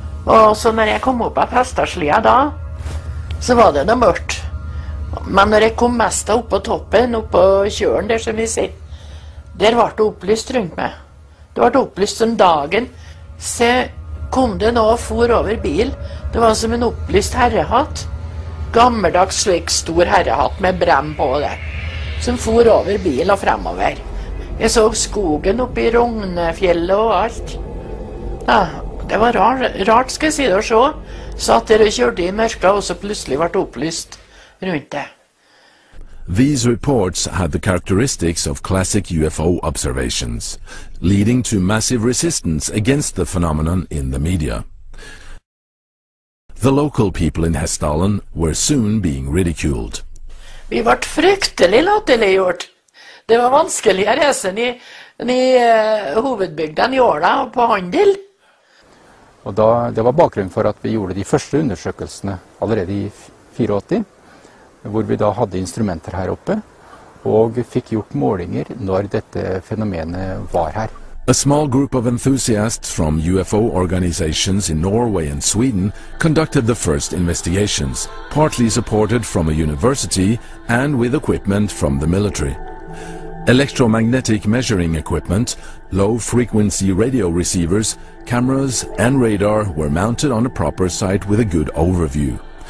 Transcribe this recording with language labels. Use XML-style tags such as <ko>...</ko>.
<no>Og så når jeg kom opp av Hestdalslia da, så var det da mørkt. Men når jeg kom mest opp på toppen, opp på kjøren der som vi ser, der ble det opplyst rundt meg. Det ble opplyst om dagen. Så kom det nå og for over bil. Det var som en opplyst herrehatt. Gammeldags slik stor herrehatt med brem på det. Som for over bil og fremover. Jeg så skogen oppe i Rognefjellet og alt. Ja, det var rart skal jeg si det å se. Så at dere kjørte i mørket og så plutselig ble det opplyst rundt det.</no> <en>These reports had the characteristics of classic UFO observations, leading to massive resistance against the phenomenon in the media. The local people in Hestdalen were soon being ridiculed.</en> <no>Vi ble fryktelig latterliggjort. Det var vanskelig å reise ned i hovedbygden i Åla og på handel. Og da, det var bakgrunnen for at vi gjorde de første undersøkelsene allerede i 84. Hvor vi da hadde instrumenter her oppe, og fikk gjort målinger når dette fenomenet var her.</no> <en>A small group of enthusiasts from UFO organizations in Norway and Sweden conducted the first investigations, partly supported from a university and with equipment from the military. Electromagnetic measuring equipment, low-frequency radio receivers, cameras and radar were mounted on a proper site with a good overview.</en>